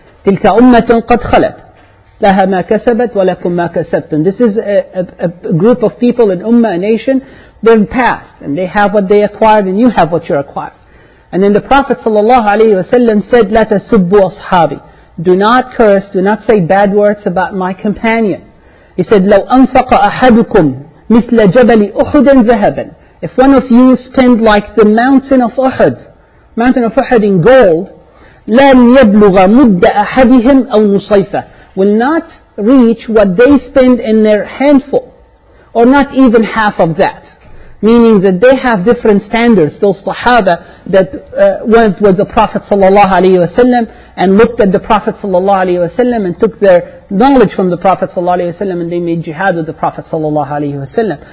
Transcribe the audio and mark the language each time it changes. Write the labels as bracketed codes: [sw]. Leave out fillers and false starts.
[ar] تِلْكَ أُمَّةٌ قَدْ خَلَتْ لَهَا مَا كَسَبَتْ وَلَكُمْ مَا كَسَبْتُمْ. [en] This is a group of people, an ummah, a nation, they're past, and they have what they acquired, and you have what you acquired. And then the Prophet sallallahu alaihi wasallam said, [ar] لَا تَسُبُّ أَصْحَابِي. [en] Do not curse, do not say bad words about my companion. He said, [ar] لَوْ أَنْفَقَ أَحَدُكُمْ مِثْلَ جَبَلِ أُحُدٍ ذَهَبًا. [en] If one of you spend like the mountain of Uhud in gold, [ar] لَنْ يَبْلُغَ مُدَّ أَحَدِهِمْ أَوْ نُصَيْفَ, [en] will not reach what they spend in their handful, or not even half of that. Meaning that they have different standards, those Sahaba that went with the Prophet sallallahu alaihi wasallam and looked at the Prophet sallallahu alaihi wasallam and took their knowledge from the Prophet sallallahu alaihi wasallam, and they made jihad with the Prophet sallallahu alaihi wasallam.